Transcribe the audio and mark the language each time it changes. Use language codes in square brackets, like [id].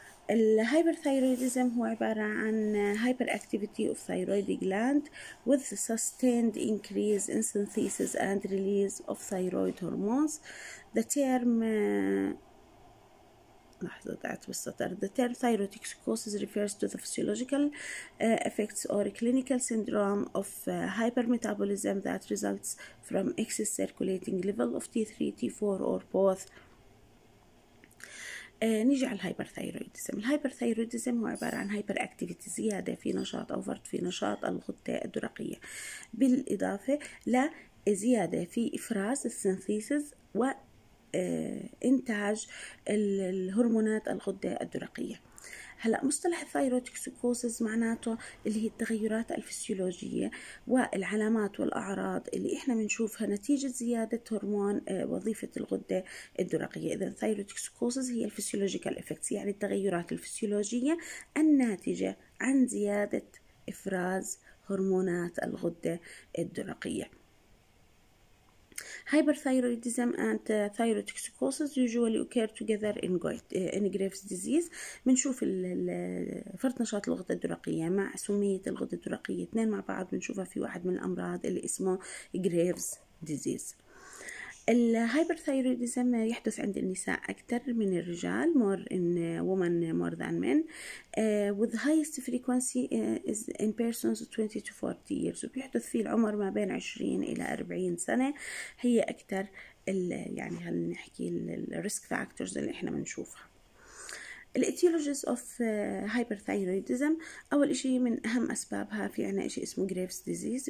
[ar] الهايبرثايرويديزم هو عبارة عن [en] Hyperactivity of thyroid gland with sustained increase in synthesis and release of thyroid hormones. The term [ar] لحظة ضعت بالسطر. [en] The term thyrotoxicosis refers to the physiological effects or clinical syndrome of hypermetabolism that results from excess circulating level of T3, T4 or both. [ar] نيجي على الهايبرثايرويدزم. الهايبرثايرويدزم هو عبارة عن هايبر اكتيفيتي، زيادة في نشاط أو فرط في نشاط الغدة الدرقية، بالإضافة لزيادة في إفراز السنثيسز وإنتاج الهرمونات الغدة الدرقية. هلأ مصطلح الثايروتوكسيكوسيس معناته اللي هي التغيرات الفسيولوجية والعلامات والأعراض اللي إحنا بنشوفها نتيجة زيادة هرمون وظيفة الغدة الدرقية. إذا الثايروتوكسيكوسيس هي الفسيولوجيكال إفكتس، يعني التغيرات الفسيولوجية الناتجة عن زيادة إفراز هرمونات الغدة الدرقية. [en] Hyperthyroidism and thyrotoxicosis usually occur together in Graves' disease. [ar] بنشوف فرط نشاط الغدة الدرقية مع سمية الغدة الدرقية، اثنين مع بعض بنشوفها في واحد من الأمراض اللي اسمه Graves' disease. الهايبرثايرويديزم يحدث عند النساء أكثر من الرجال، [en] more in women more than men. With the highest frequency is in persons 20 to 40 years. [ar] وبيحدث في العمر ما بين 20 إلى 40 سنة، هي أكثر يعني هل نحكي الريسك فاكتورز اللي إحنا بنشوفها. [en] الاتيولوجيز of hyperthyroidism, [ar] اول شيء من اهم اسبابها في عنا شيء اسمه جريفز ديزيز.